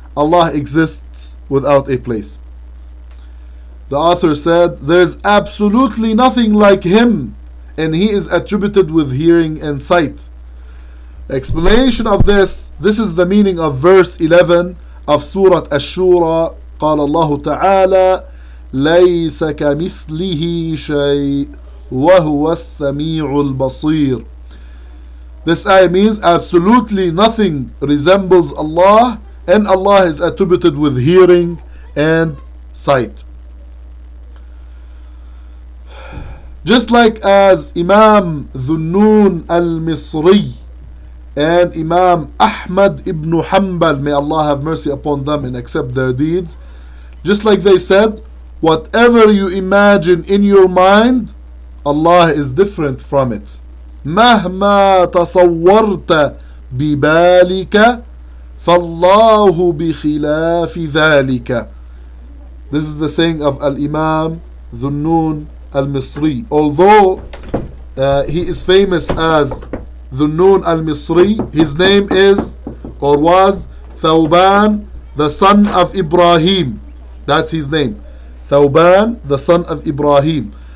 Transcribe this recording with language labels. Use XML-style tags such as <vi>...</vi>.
<en>Allah exists without a place. The author said, there is absolutely nothing like him, and he is attributed with hearing and sight. Explanation of this is the meaning of verse 11 of Surah Ash-Shura.</en> <ar>قال الله تعالى ليس كمثله شيء وهو السميع البصير.</ar> <en>This ayah means absolutely nothing resembles Allah, and Allah is attributed with hearing and sight. Just like as Imam Dhunnun al-Misri and Imam Ahmad ibn Hanbal, may Allah have mercy upon them and accept their deeds, just like they said, whatever you imagine in your mind, Allah is different from it.</en> <ar>مهما تصورت ببالك فالله بخلاف ذلك.</ar> <en>This is the saying of Al-Imam Dhunnun al-Misri. Although he is famous as Dhunnun al-Misri, his name is or was Thawban, the son of Ibrahim. That's his name, Thawban, the son of Ibrahim.</en>